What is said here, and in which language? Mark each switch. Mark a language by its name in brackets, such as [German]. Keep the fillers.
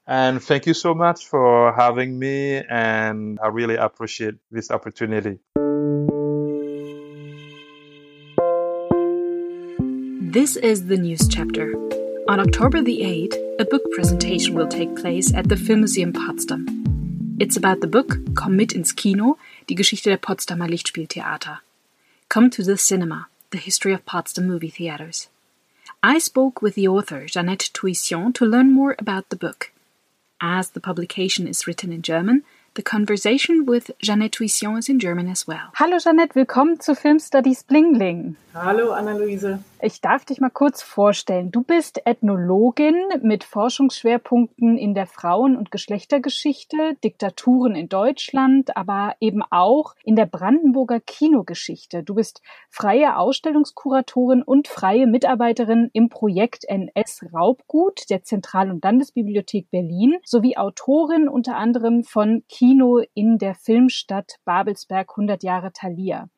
[English] And thank you so much for having me. And I really appreciate this opportunity. This is the news chapter. On October the 8th, a book presentation will take place at the Film Museum Potsdam. It's about the book Komm mit ins Kino, die Geschichte der Potsdamer Lichtspieltheater. Come to the Cinema, the history of Potsdam movie theaters. I spoke with the author Jeannette Tuition to learn more about the book. As the publication is written in German, the conversation with Jeannette Tuition is in German as well. [German] Hallo Jeannette, willkommen zu Film Studies Bling Bling. Hallo Annalise. Ich darf dich mal kurz vorstellen. Du bist Ethnologin mit Forschungsschwerpunkten in der Frauen- und Geschlechtergeschichte, Diktaturen in Deutschland, aber eben auch in der Brandenburger Kinogeschichte. Du bist freie Ausstellungskuratorin und freie Mitarbeiterin im Projekt NS Raubgut der Zentral- und Landesbibliothek Berlin sowie Autorin unter anderem von Kino Kino in der Filmstadt Babelsberg 100 Jahre Thalia.